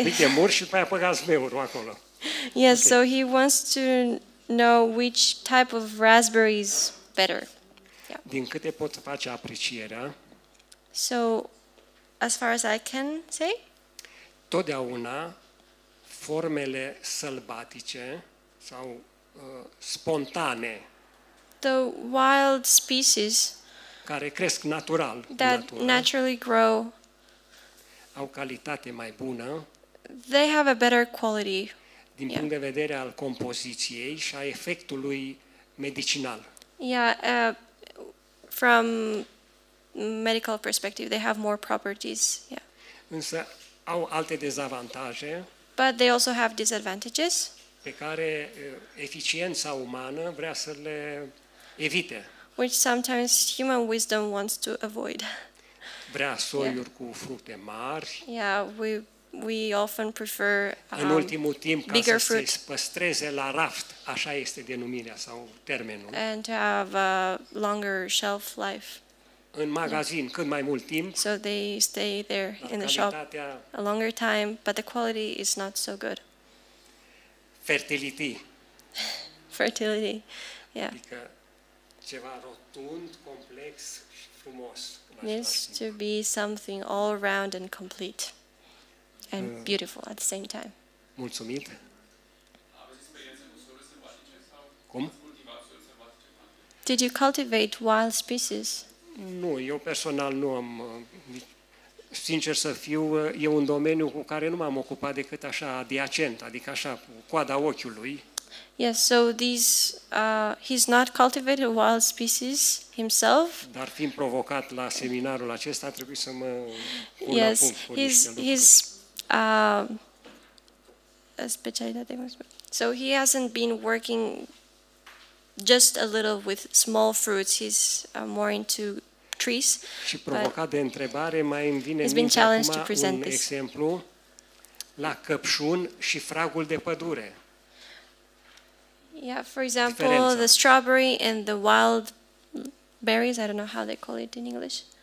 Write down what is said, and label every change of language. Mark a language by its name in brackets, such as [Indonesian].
[Romanian] Un pic de mur și după aia apăca zmeurul acolo. [English] Yes, okay. So he wants to know which type of raspberry is better. [Romanian] Yeah. Din câte pot face aprecierea? [English] So, as far as I can say? [Romanian] Totdeauna formele sălbatice sau spontane. [English] The wild species [Romanian] care cresc natural, [English] that naturally grow, [Romanian] au calitate mai bună. [English] They have a better quality. [Romanian] Din punct de vedere al compoziției și a efectului medicinal. [English] Yeah, from medical perspective, they have more properties. Yeah. [Romanian] Însă au alte dezavantaje. [English] But they also have disadvantages. [Romanian] Pe care eficiența umană vrea să le evite. [English] Which sometimes human wisdom wants to avoid. [Romanian] Vrea soiuri cu fructe mari. [English] Yeah, we often prefer [Romanian] în ultimul timp ca să se păstreze la raft, așa este denumirea sau termenul. [English] And to have a longer shelf life. [Romanian] În magazin, yeah. Cât mai mult timp. [English] So they stay there in the shop a longer time, but the quality is not so good. Fertility. Fertility. Yeah. [Romanian] Adică ceva rotund, complex și frumos. [English] Needs to be something all round and complete and beautiful at the same time. [Romanian] Mulțumit. Cum? [English] Did you cultivate wild species? [Romanian] Nu, eu personal nu am, sincer să fiu, e un domeniu cu care nu m-am ocupat decât așa adiacent, adică așa cu coada ochiului. [English] Yes, so these he's not cultivated wild species himself. [Romanian] Dar fiind provocat la seminarul acesta, a trebuit să mă pun la punct. [English] Yes, his specialitate. So he hasn't been working just a little with small fruits. He's more into trees. [Romanian] Și provocat de întrebare, mai îmi vine în minte un exemplu la căpșun și fragul de pădure. [English] Yeah, for example, diferența. The strawberry and the wild berries, I don't know how they call it in English.